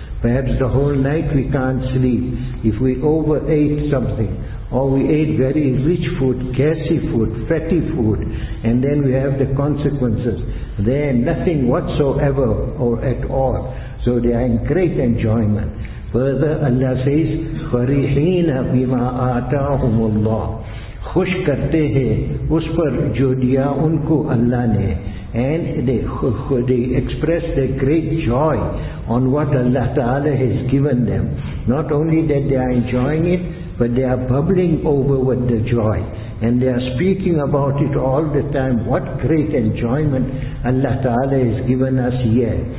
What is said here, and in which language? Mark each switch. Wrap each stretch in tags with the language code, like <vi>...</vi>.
<en>Perhaps the whole night we can't sleep. If we overate something, or we ate very rich food, gassy food, fatty food, and then we have the consequences. There nothing whatsoever or at all. So they are in great enjoyment. Further Allah says,</en> <ar>فَرِحِينَ بِمَا آتَاهُمُ اللَّهِ</ar> <ur>خُشْ کرتے ہیں اس پر جو دیا ان کو اللہ نے.</ur> <en>And they express their great joy on what Allah Ta'ala has given them. Not only that they are enjoying it, but they are bubbling over with the joy. And they are speaking about it all the time. What great enjoyment Allah Ta'ala has given us here.</en>